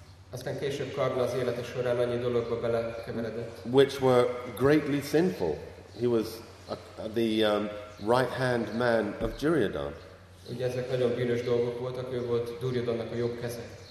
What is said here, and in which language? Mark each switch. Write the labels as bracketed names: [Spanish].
[Hungarian] Aztán később Karna az élete során annyi dologba belekeveredett, [English] which were greatly sinful. He was the right-hand man of Duryodhan. [Hungarian] Ugye ezek nagyon bűnös dolgok voltak, ő volt Duryodhannak a jobb keze.